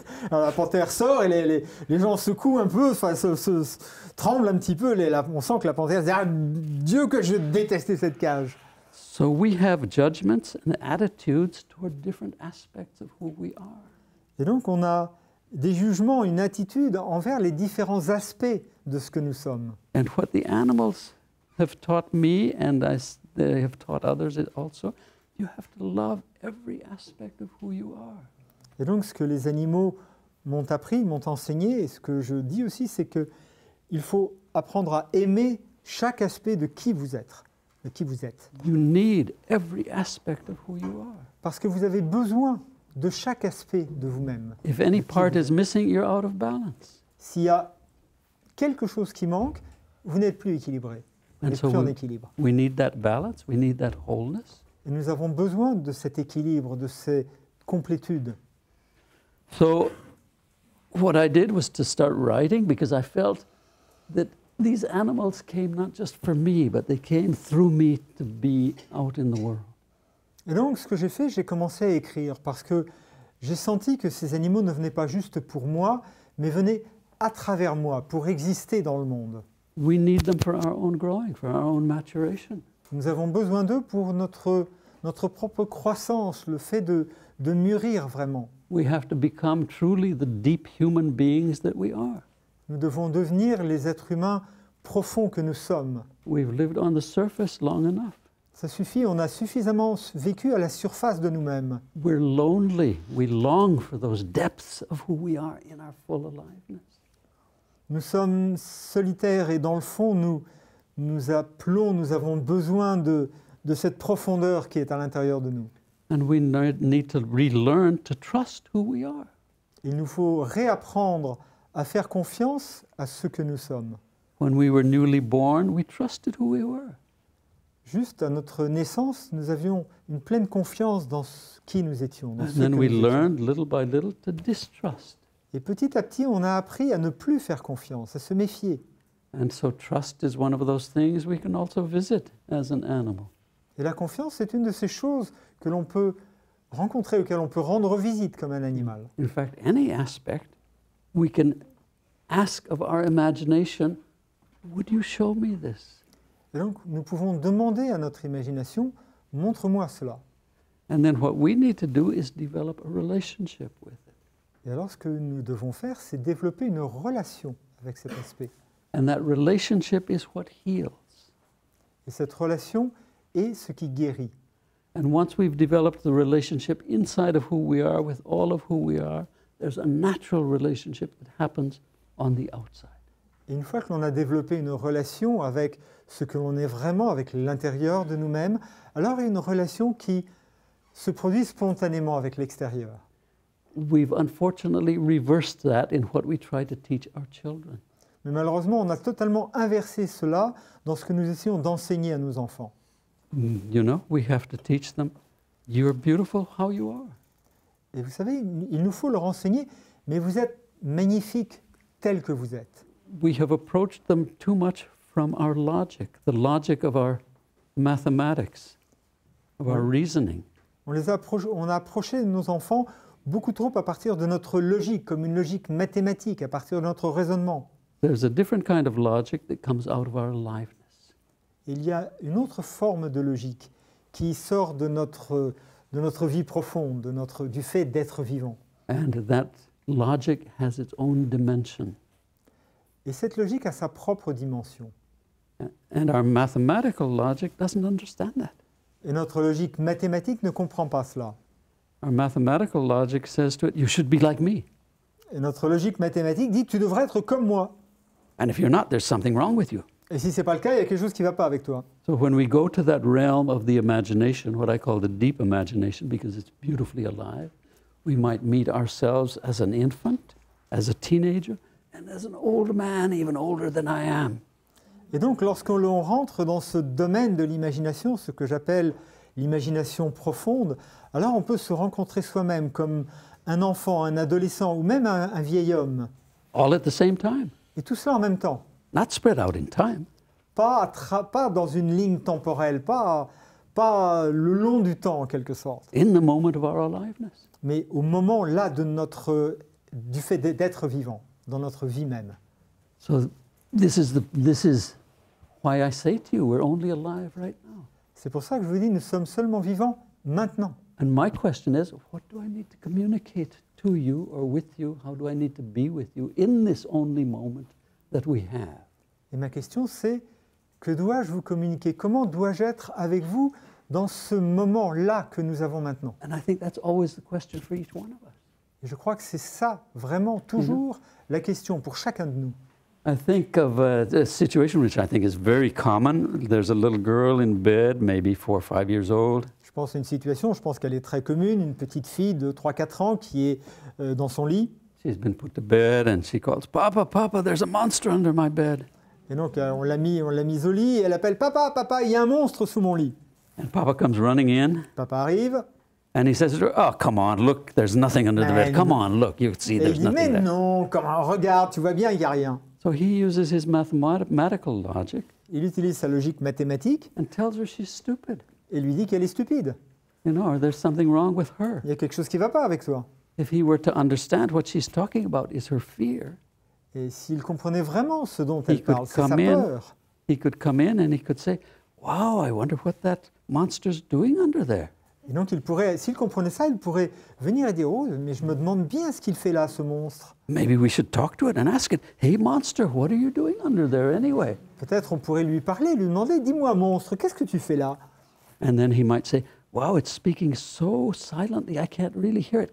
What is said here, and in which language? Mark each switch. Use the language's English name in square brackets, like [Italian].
[French] La panthère sort et les gens secouent un peu, enfin se tremblent un petit peu. On sent que la panthère dit, ah, Dieu que je détestais cette cage. [English] So we have judgments and attitudes toward different aspects of who we are. [French] Et donc on a des jugements, une attitude envers les différents aspects de ce que nous sommes. [English] And what the animals have taught me, and they have taught others it also, you have to love every aspect of who you are. [French] Et donc ce que les animaux m'ont appris, m'ont enseigné, et ce que je dis aussi, c'est que il faut apprendre à aimer chaque aspect de qui vous êtes, [English] You need every aspect of who you are. [French] Parce que vous avez besoin de chaque aspect de vous-même. [English] If any part is missing, you're out of balance. [French] S'il y a quelque chose qui manque, vous n'êtes plus équilibré. En équilibre. [English] We need that balance, we need that wholeness. [French] Et nous avons besoin de cet équilibre, de cette complétude. [English] So, what I did was to start writing because I felt that these animals came not just for me, but they came through me to be out in the world. [French] Et donc, ce que j'ai fait, j'ai commencé à écrire parce que j'ai senti que ces animaux ne venaient pas juste pour moi, mais venaient à travers moi pour exister dans le monde. [English] We need them for our own growing, for our own maturation. [French] Nous avons besoin d'eux pour notre propre croissance, le fait de mûrir vraiment. [English] We have to become truly the deep human beings that we are. [French] Nous devons devenir les êtres humains profonds que nous sommes. [English] We've lived on the surface long enough. [French] Ça suffit, on a suffisamment vécu à la surface de nous-mêmes. [English] We're lonely. We long for those depths of who we are in our full aliveness. [French] Nous sommes solitaires et dans le fond, nous appelons, nous avons besoin de cette profondeur qui est à l'intérieur de nous. [English] And we need to relearn to trust who we are. [French] Il nous faut réapprendre à faire confiance à ce que nous sommes. [English] When we were newly born, we trusted who we were. [French] Juste à notre naissance, nous avions une pleine confiance dans qui nous étions. [English] And then we learned little by little to distrust. [French] Et petit à petit, on a appris à ne plus faire confiance, à se méfier. [English] And so trust is one of those things we can also visit as an animal. [French] Et la confiance est une de ces choses que l'on peut rencontrer, auxquelles on peut rendre visite comme un animal. [English] In fact, any aspect we can ask of our imagination, would you show me this? [French] Et donc, nous pouvons demander à notre imagination, montre-moi cela. [English] And then what we need to do is develop a relationship with it. [French] Et alors, ce que nous devons faire, c'est développer une relation avec cet aspect. [English] And that relationship is what heals. [French] Et cette relation est ce qui guérit. [English] And once we've developed the relationship inside of who we are, with all of who we are, there's a natural relationship that happens on the outside. [French] Et une fois que l'on a développé une relation avec ce que l'on est vraiment avec l'intérieur de nous-mêmes, alors il y a une relation qui se produit spontanément avec l'extérieur. [English] We've unfortunately reversed that in what we try to teach our children. [French] Mais malheureusement, on a totalement inversé cela dans ce que nous essayons d'enseigner à nos enfants. [English] You know, we have to teach them, you're beautiful how you are. [French] Et vous savez, il nous faut le renseigner, mais vous êtes magnifique tel que vous êtes. [English] We have approached them too much from our logic, the logic of our mathematics, of our reasoning. [French] On a approché nos enfants beaucoup trop à partir de notre logique, comme une logique mathématique, à partir de notre raisonnement. [English] There's a different kind of logic that comes out of our aliveness. [French] Il y a une autre forme de logique qui sort de notre vie profonde, du fait d'être vivant. [English] And that logic has its own dimension. [French] Et cette logique a sa propre dimension. [English] And our mathematical logic doesn't understand that. [French] Et notre logique mathématique ne comprend pas cela. [English] Our mathematical logic says to it, you should be like me. [French] Et notre logique mathématique dit, tu devrais être comme moi. [English] And if you're not, there's something wrong with you. [French] Et si c'est pas le cas, il y a quelque chose qui va pas avec toi. [English] So when we go to that realm of the imagination, what I call the deep imagination, because it's beautifully alive, we might meet ourselves as an infant, as a teenager, and as an old man, even older than I am. [French] Et donc, lorsque l'on rentre dans ce domaine de l'imagination, ce que j'appelle l'imagination profonde, alors on peut se rencontrer soi-même comme un enfant, un adolescent ou même un vieil homme. [English] All at the same time. [French] Et tout cela en même temps. [English] Not spread out in time. [French] Pas dans une ligne temporelle, pas le long du temps en quelque sorte. [English] In the moment of our aliveness. [French] Mais au moment là de du fait d'être vivant, dans notre vie même. [English] So, this is why I say to you, we're only alive right now. [French] C'est pour ça que je vous dis, nous sommes seulement vivants maintenant. [English] And my question is, what do I need to communicate to you or with you? How do I need to be with you in this only moment that we have? [French] Et ma question c'est, que dois-je vous communiquer? Comment dois-je être avec vous dans ce moment-là que nous avons maintenant? [English] And I think that's always the question for each one of us. [French] Et je crois que c'est ça, vraiment, toujours la question pour chacun de nous. [English] I think of a situation which I think is very common. There's a little girl in bed, maybe 4 or 5 years old. [French] Je pense à une situation, je pense qu'elle est très commune, une petite fille de 3-4 ans qui est dans son lit. [English] She's been put to bed and she calls, Papa, Papa, there's a monster under my bed. [French] Et donc on l'a mise au lit et elle appelle, Papa, Papa, il y a un monstre sous mon lit. [English] And Papa comes running in. [French] Papa arrive. [English] And he says, oh, come on, look, there's nothing under the bed. Come on, look, you see, there's [French] dit, [English] nothing [French] mais [English] there. [French] Mais non, comment, regarde, tu vois bien, il n'y a rien. [English] So he uses his mathematical logic. [French] Il utilise sa logique mathématique. [English] And tells her she's stupid. [French] Et lui dit qu'elle est stupide. [English] You know, or there's something wrong with her. [French] Il y a quelque chose qui ne va pas avec toi. [English] If he were to understand what she's talking about is her fear. [French] Et s'il comprenait vraiment ce dont elle parle, c'est sa peur. [English] He could come in and he could say, wow, I wonder what that monster's doing under there. [French] Et donc, s'il comprenait ça, il pourrait venir et dire, « Oh, mais je me demande bien ce qu'il fait là, ce monstre. » [English] Maybe we should talk to it and ask it, « Hey, monster, what are you doing under there anyway ?» [French] Peut-être on pourrait lui parler, lui demander, « Dis-moi, monstre, qu'est-ce que tu fais là ?» [English] And then he might say, « Wow, it's speaking so silently, I can't really hear it.